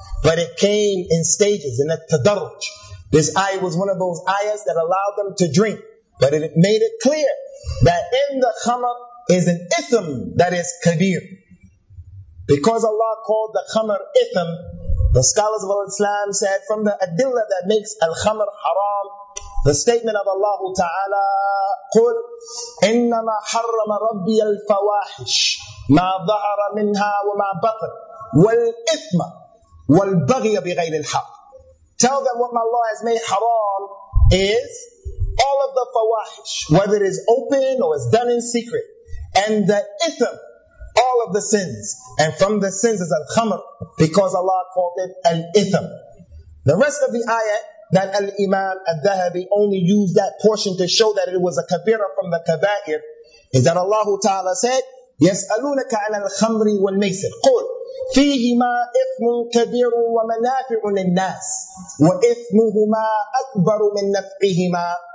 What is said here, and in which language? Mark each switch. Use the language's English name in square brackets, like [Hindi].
[English] But it came in stages, in a tadarruj. This ayah was one of those ayahs that allowed them to drink. But it made it clear that in the khamr is an ithm that is kabir. Because Allah called the khamr ithm, the scholars of Islam said from the adilla that makes al-khamr haram the statement of Allah Ta'ala, [Arabic] قُلْ إِنَّمَا حَرَّمَ رَبِّيَ الْفَوَاحِشِ مَا ظَهَرَ مِنْهَا وَمَا بَطَرَ وَالْإِثْمَ وَالْبَغْيَ بِغَيْرِ الْحَقِّ. [English] Tell them what my Allah has made haram is all of the fawahish, whether it is open or is done in secret, and the ithm, all of the sins. And from the sins is al-khamr, because Allah called it al-ithm. The rest of the ayat, that al-imam al-dhahabi only used that portion to show that it was a kabira from the kabair, is that Allah Ta'ala said, [Arabic] يَسْأَلُونَكَ عَلَى الْخَمْرِ وَالْمَيْسِرِ قُلْ فِيهِمَا إِثْمٌ كَبِيرٌ وَمَنَافِعُ لِلنَّاسِ وَإِثْمُهُمَا أَكْبَرُ مِنْ نَفْعِهِمَا.